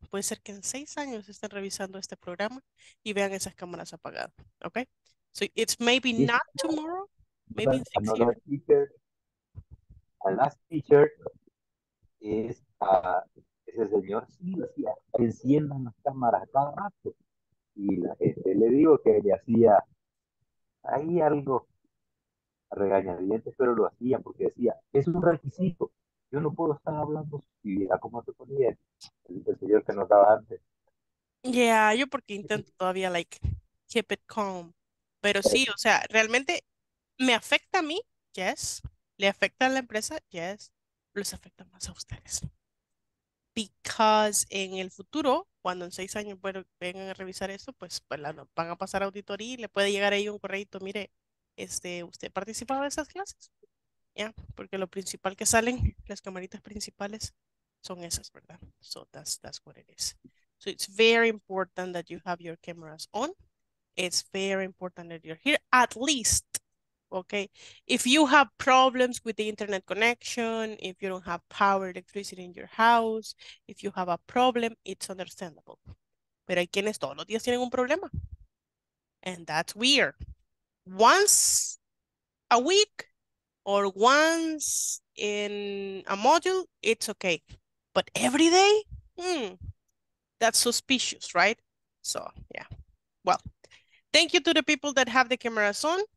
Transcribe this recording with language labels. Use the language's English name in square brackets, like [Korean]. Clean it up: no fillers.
[Spanish] Puede ser que en 6 años estén revisando este programa y vean esas cámaras apagadas, okay? [English] So it's maybe not tomorrow, maybe in 6 years. Another teacher, a last teacher is [Spanish] ese señor, sí, decía, enciendan las cámaras cada rato. Y la gente le digo que le hacía ahí algo regañadientes, pero lo hacía porque decía, es un requisito. Yo no puedo estar hablando si viera cómo se ponía el señor que nos daba antes. [English] Yeah, [Spanish] yo porque intento todavía, [English] like, keep it calm. [Spanish] Pero sí, o sea, realmente me afecta a mí, yes. Le afecta a la empresa, yes. Les afecta más a ustedes. Because en el futuro, cuando en 6 años bueno, vengan a revisar eso, pues, bueno, van a pasar a auditoría y le puede llegar ahí un correito, mire, usted participaba de esas clases. Yeah, porque lo principal que salen, las camaritas principales, son esas, ¿verdad? [English] So that's what it is. So it's very important that you have your cameras on. It's very important that you're here, at least, okay? If you have problems with the internet connection, if you don't have power, electricity in your house, if you have a problem, it's understandable. [Spanish] Pero hay quienes todos los días tienen un problema. [English] And that's weird. Once a week or once in a module, it's okay. But every day, that's suspicious, right? So, yeah, well. Thank you to the people that have the cameras on.